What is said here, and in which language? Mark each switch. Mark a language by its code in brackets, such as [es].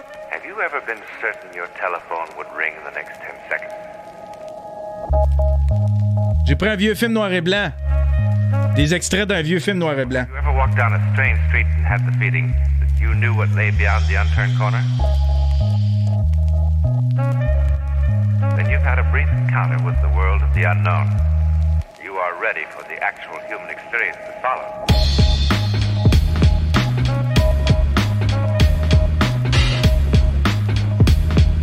[en] Have you ever been certain your telephone would ring in the next 10 seconds? [fr] J'ai pris un vieux film noir et blanc. Des extraits d'un vieux film noir et blanc. [en] You ever walked down a strange street and had the feeling that you knew what lay beyond the unturned corner? Then you've had a brief encounter with the world of the unknown. You are ready for the actual human experience to follow.